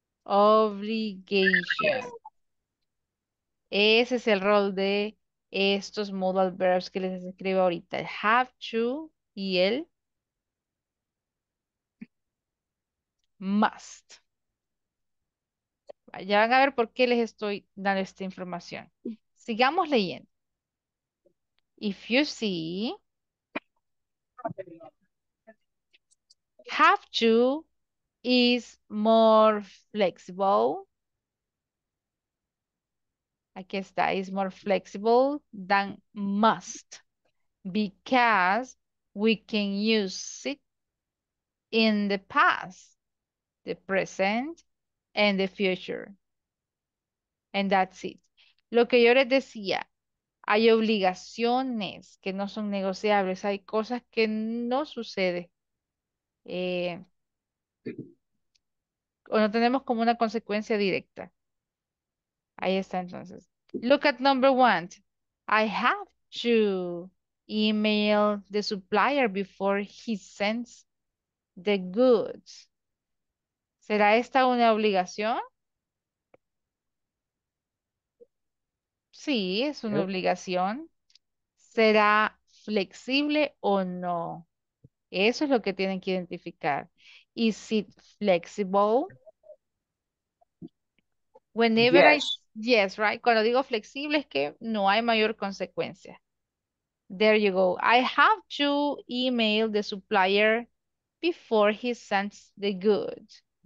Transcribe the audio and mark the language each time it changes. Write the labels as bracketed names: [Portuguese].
[Spanish] Obligation. Ese es el rol de estos modal verbs que les escribo ahorita, el have to y el must. Ya van a ver por qué les estoy dando esta información. Sigamos leyendo. [English] If you see, have to is more flexible. [Spanish] Aquí está, [English] is more flexible than must because we can use it in the past, the present, and the future. And that's it. [Spanish] Lo que yo les decía, hay obligaciones que no son negociables, hay cosas que no sucede. O no tenemos como una consecuencia directa. Ahí está entonces. [English] Look at number one. I have to email the supplier before he sends the goods. [Spanish] ¿Será esta una obligación? Sí, es una obligación. ¿Será flexible o no? Eso es lo que tienen que identificar. [English] Is it flexible? Whenever yes. Yes, right. [Spanish] Cuando digo flexible es que no hay mayor consecuencia. [English] There you go. I have to email the supplier before he sends the goods.